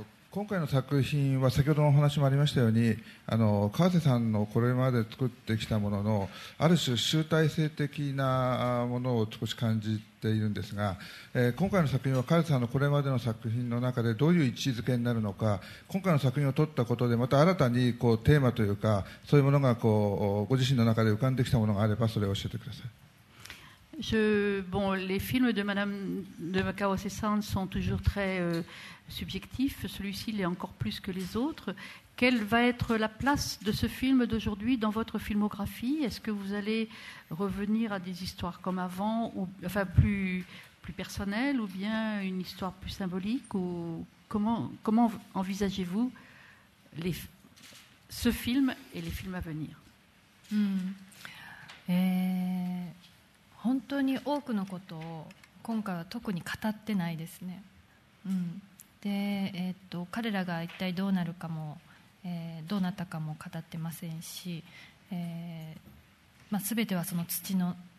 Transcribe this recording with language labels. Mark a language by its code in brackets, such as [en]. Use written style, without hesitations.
[ja] 今回の作品は先ほどのお話もありましたように川瀬さんのこれまで作ってきたもののある種集大成的なものを少し感じているんですが、今回の作品は川瀬さんのこれまでの作品の中でどういう位置づけになるのか、今回の作品を撮ったことでまた新たにこうテーマというかそういうものがこうご自身の中で浮かんできたものがあればそれを教えてください。 [fr] Les films de Madame de Kawase-san sont toujours très subjectifs. Celui-ci l'est encore plus que les autres. Quelle va être la place de ce film d'aujourd'hui dans votre filmographie? Est-ce que vous allez revenir à des histoires comme avant, ou enfin plus personnelles, ou bien une histoire plus symbolique, ou comment envisagez-vous ce film et les films à venir? [ja] 本当に多くのことを今回は特に語ってないですね、で、彼らが一体どうなるかも、どうなったかも語ってませんし、全てはその土の